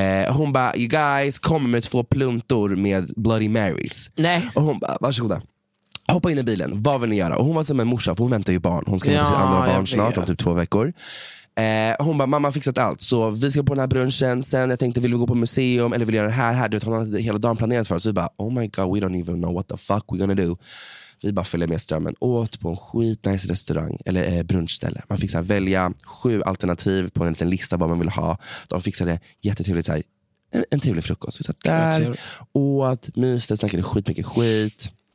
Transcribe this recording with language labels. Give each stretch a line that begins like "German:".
Swedish: Hon bara,
English: "You guys,
Swedish: kom med två pluntor med Bloody Marys." Nej. Och hon bara, "Varsågoda. Hoppa in i bilen. Vad vill ni göra?" Och hon var som en morsa, för hon väntar ju barn. Hon ska hämta sitt andra barn snart om typ 2 veckor. Hon bara, "Mamma har fixat allt. Så vi ska på den här brunchen. Sen jag tänkte, vill vi gå på museum eller vill vi göra det här, här?" Du vet, hon hade hela dagen planerat för oss. Så vi bara,
English: "Oh my god, we don't even know what the fuck we're gonna do."
Swedish: Vi bara följer med strömmen. Åt på en skitnice restaurang. Eller brunchställe. Man fick så här, välja 7 alternativ på en liten lista vad man vill ha. De fixade jättetrevligt så här, en trevlig frukost. Vi satt där, åt, myste, snackade skitmycket skit.